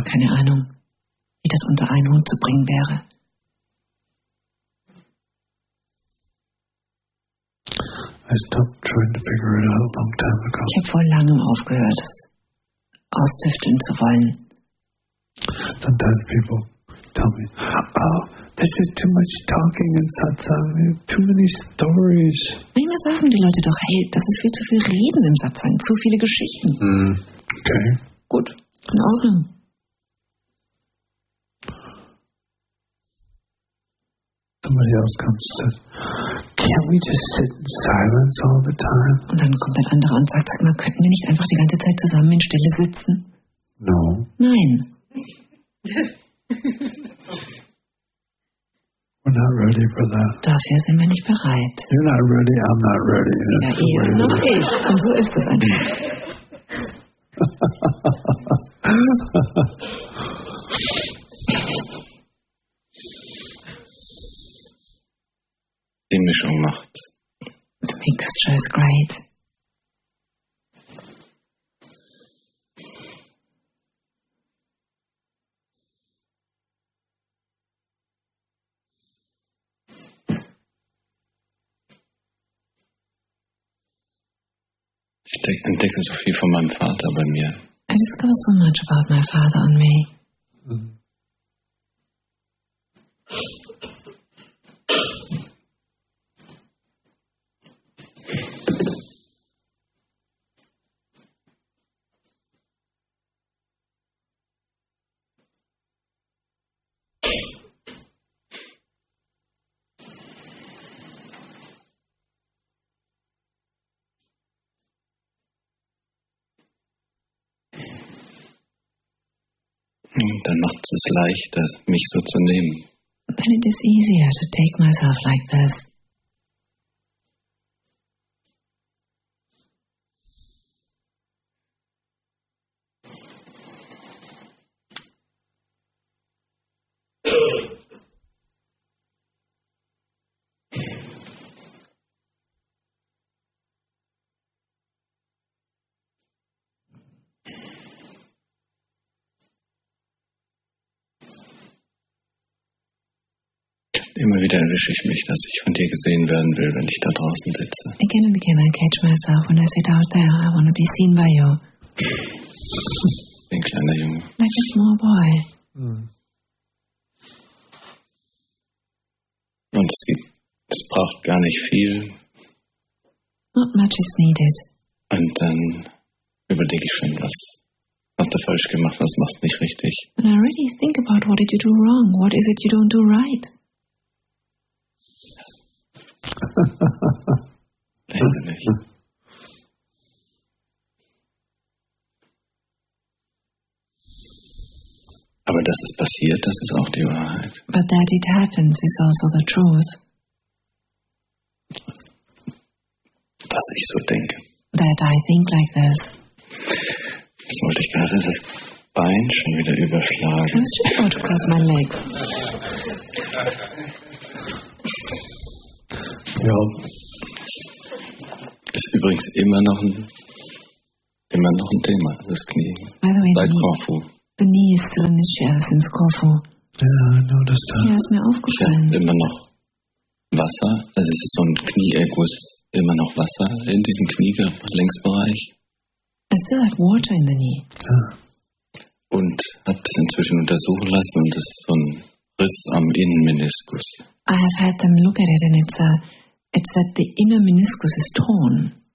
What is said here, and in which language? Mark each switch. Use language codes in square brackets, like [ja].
[de] Keine Ahnung, wie das unter einen Hut zu bringen wäre. [en] I stopped trying to figure it out a long time ago. [de] Ich habe vor langem aufgehört, es auszüfteln zu wollen. [en] Sometimes people tell me, oh, this is too much talking and satsang, too many stories. [de] Manchmal sagen die Leute doch, hey, das ist viel zu viel Reden im Satsang, zu viele Geschichten. [en] Okay. [de] Gut, in Ordnung. [en] Somebody else comes and says, can't we just sit in silence all the time? [de] Und dann kommt ein anderer und sagt, sag mal, könnten wir nicht einfach die ganze Zeit zusammen in Stille sitzen? [en] No. [de] Nein. [en] We're not ready for that. [de] Dafür sind wir nicht bereit. [en] You're not ready, I'm not ready. [de] Ja, ihr noch ich. Und so ist es einfach. Die Mischung macht. [en] The mixture is great. [de] Ich entdecke so viel von meinem Vater bei mir. [en] I discover so much about my father and me. [de] Dann macht es leichter, mich so zu nehmen. [en] Then it is easier to take myself like this. [de] Immer wieder erwische ich mich, dass ich von dir gesehen werden will, wenn ich da draußen sitze. [en] Again and again I catch myself when I sit out there. I want to be seen by you. [de] Ein kleiner Junge. [en] Like a small boy. [de] Und es braucht gar nicht viel. [en] Not much is needed. [de] Und dann überlege ich schon, was hast du falsch gemacht, was machst du nicht richtig. [en] And I really think about what did you do wrong, what is it you don't do right. [de] Aber das ist passiert, das ist auch die Wahrheit. [en] But that it happens is also the truth. [de] Dass ich so denke. [en] That I think like this. [de] Jetzt wollte ich gerade das Bein schon wieder überschlagen. [en] I was just about to cross my legs. [de] Ja. Ist übrigens immer noch ein Thema, das Knie. [en] By the way, [de] bei Corfu. [en] The knee is still an issue since Corfu. Ja, I noticed that. [de] Ja, ist mir aufgefallen. Ich immer noch Wasser. Also es ist so ein Knieerguss. Immer noch Wasser in diesem Knie-Längsbereich. [en] I still have water in the knee. [de] Ja. Und hab das inzwischen untersuchen lassen und es ist so ein Riss am Innenmeniskus. [en] I have had them look at it and it's that the inner meniscus is torn.